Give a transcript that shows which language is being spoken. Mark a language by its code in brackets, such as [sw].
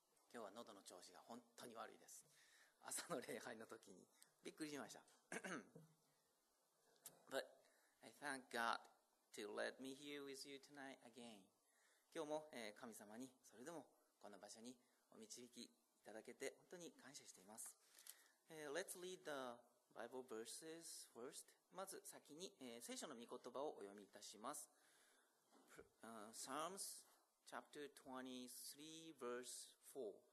[ja] 今日は喉の調子が本当に悪いです。朝の礼拝の時にびっくりしました。 [en] But I thank God to let me here with you tonight again. [ja] 今日も神様にそれでもこの場所にお導きいただけて本当に感謝しています。 [en] Let's read the Bible verses first. [ja] まず先に聖書の御言葉をお読みいたします。 [en] Psalms chapter 23 verse 4.